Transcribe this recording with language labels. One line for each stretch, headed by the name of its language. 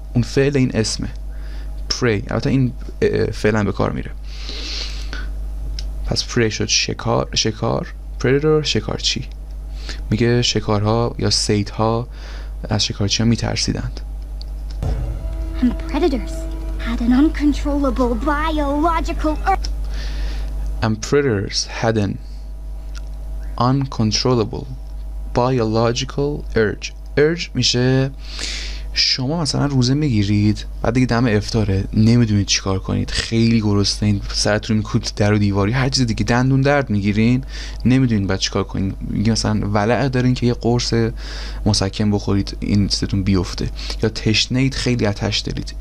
Persian: اون فعل این اسمه pray، البته این فعلا به کار میره. پس pray شد شکار، شکار predator شکارچی. میگه شکارها یا صیدها از شکارچی ها میترسیدند.
English: And predators had an uncontrollable biological And predators had an uncontrollable biological urge.
Persian: urge میشه شما مثلا روزه میگیرید، بعد دیگه دم افطاره، نمیدونید چیکار کنید، خیلی گرسنه، سرتون میکوبید در و دیواری، هر چیز دیگه، دندون درد میگیرین، نمیدونید بعد چیکار کنید. میگی مثلا ولع دارین که یه قرص مسکن بخورید این چیزتون بیفته، یا تشنه اید، خیلی آتش دارید.